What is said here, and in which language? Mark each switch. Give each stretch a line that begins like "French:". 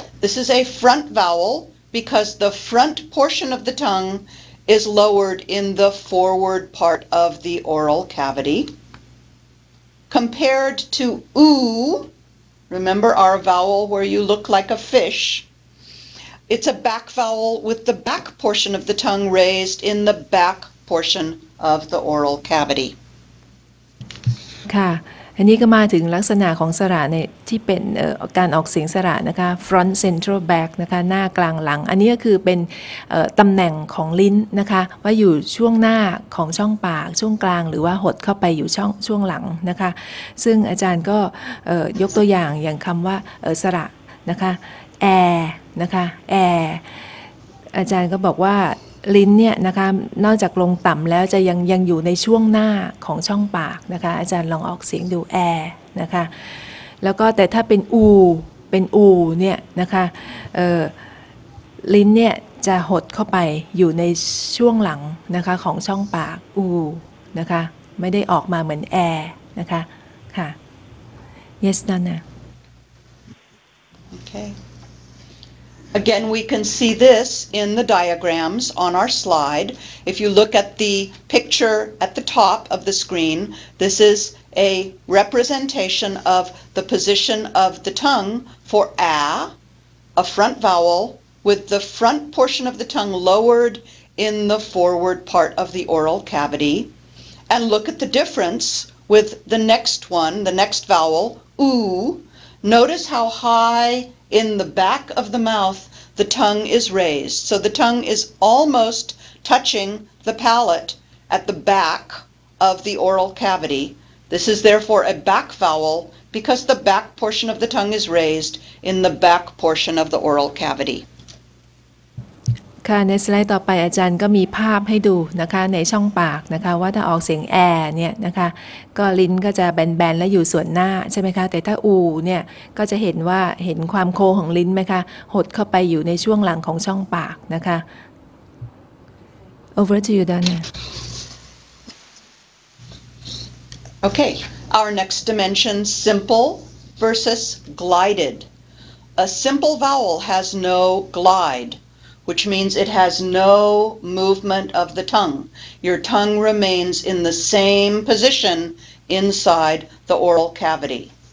English: This is a front vowel because the front portion of the tongue is lowered in the forward part of the oral cavity. Compared to U, remember our vowel where you look like a fish, it's a back vowel with the back portion of the tongue raised in the back portion of the oral cavity.
Thai: ค่ะอันนี้ก็มาถึงลักษณะของสระในที่เป็นการออกเสียงสระนะคะ front central back นะคะหน้ากลางหลังอันนี้ก็คือเป็นตำแหน่งของลิ้นนะคะว่าอยู่ช่วงหน้าของช่องปากช่วงกลางหรือว่าหดเข้าไปอยู่ช่วงหลังนะคะซึ่งอาจารย์ก็ยกตัวอย่างอย่างคำว่าสระนะคะ air นะคะ air อาจารย์ก็บอกว่าลิ้นเนี่ยนะคะนอกจากลงต่ำแล้วจะยังอยู่ในช่วงหน้าของช่องปากนะคะอาจารย์ลองออกเสียงดูแอร์นะคะแล้วก็แต่ถ้าเป็นอูเนี่ยนะคะลิ้นเนี่ยจะหดเข้าไปอยู่ในช่วงหลังนะคะของช่องปากอูนะคะไม่ได้ออกมาเหมือนแอร์นะคะค่ะ
English: Yes Donna Okay. Again, we can see this in the diagrams on our slide. If you look at the picture at the top of the screen, this is a representation of the position of the tongue for a front vowel, with the front portion of the tongue lowered in the forward part of the oral cavity. And look at the difference with the next one, the next vowel, oo. Notice how high in the back of the mouth the tongue is raised. So the tongue is almost touching the palate at the back of the oral cavity. This is therefore a back vowel because the back portion of the tongue is raised in the back portion of the oral cavity.
Thai: ค่ะในสไลด์ต่อไปอาจารย์ก็มีภาพให้ดูนะคะในช่องปากนะคะว่าถ้าออกเสียงแอร์เนี่ยนะคะก็ลิ้นก็จะแบนๆและอยู่ส่วนหน้าใช่ไหมคะแต่ถ้าอูเนี่ยก็จะเห็นว่าเห็นความโคของลิ้นไหมคะหดเข้าไปอยู่ในช่วงหลังของช่องปากนะคะ
English: Over to you Dana Okay our next dimension simple versus glided a simple vowel has no glide which means it has no movement of the tongue. Your tongue remains in the same position inside the oral cavity.